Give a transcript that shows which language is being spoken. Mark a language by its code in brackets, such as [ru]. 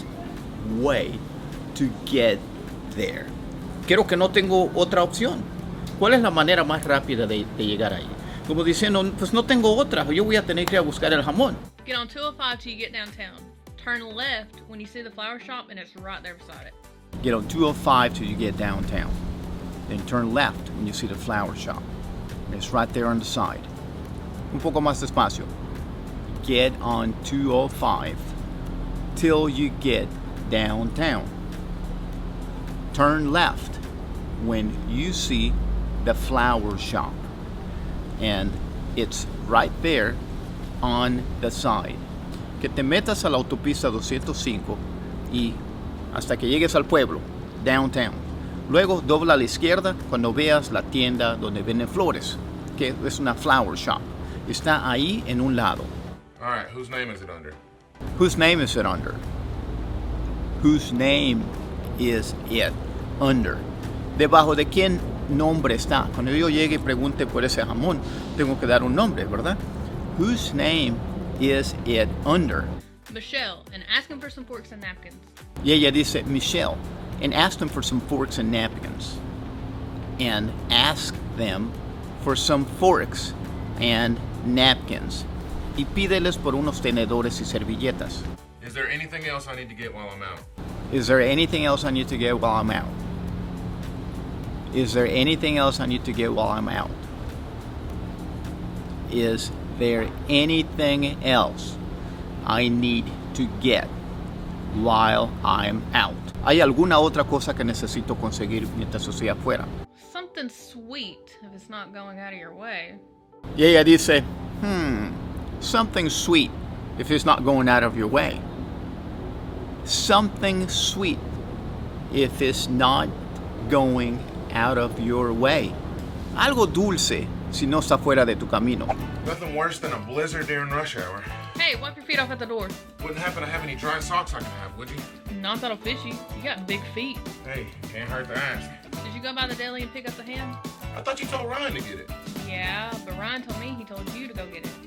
[en] I guess I don't have a choice. What's the quickest way to get there? [es] Quiero que no tengo otra opción. ¿Cuál es la manera más rápida de llegar ahí? Como diciendo, pues no tengo otra. Yo voy a tener que ir a buscar el jamón. [en] Get on 205 till you get downtown. Turn left when you see the flower shop and it's right there beside it. Get on 205 till you get downtown. Then turn left when you see the flower shop. And it's right there on the side. [es] Un poco más despacio. [en] Get on 205 till you get downtown. Turn left when you see the flower shop. And it's right there on the side. [es] Que te metas a la autopista 205 y hasta que llegues al pueblo, downtown. Luego dobla a la izquierda cuando veas la tienda donde venden flores, que es una [en] flower shop. [es] Está ahí en un lado. [en] All right, whose name is it under? Whose name is it under? Whose name is it under? [es] ¿Debajo de quién nombre está? Cuando yo llegue y pregunte por ese jamón, tengo que dar un nombre, ¿verdad? [en] Whose name is it under? Michelle, and ask him for some forks and napkins. [es] Y ella dice, [en] Michelle, and ask them for some forks and napkins. And ask them for some forks and napkins. [es] Y pídeles por unos tenedores y servilletas. [en] Is there anything else I need to get while I'm out? Is there anything else I need to get while I'm out? Is there anything else I need to get while I'm out? Is there anything else I need to get while I'm out? [es] ¿Hay alguna otra cosa que necesito conseguir mientras estoy afuera? [en] Some something sweet if it's not going out of your way. [es] Y ella dice, [en] something sweet if it's not going out of your way. Something sweet if it's not going out of your way. [es] Algo dulce si no está fuera de tu camino. [en] Nothing worse than a blizzard during rush hour. Hey, wipe your feet off at the door. Wouldn't happen to have any dry socks I can have, would you? Not that'll fish you. You got big feet. Hey, can't hurt to ask. Did you go by the deli and pick up the ham? I thought you told Ryan to get it. Yeah, but Ryan told me he told you to go get it.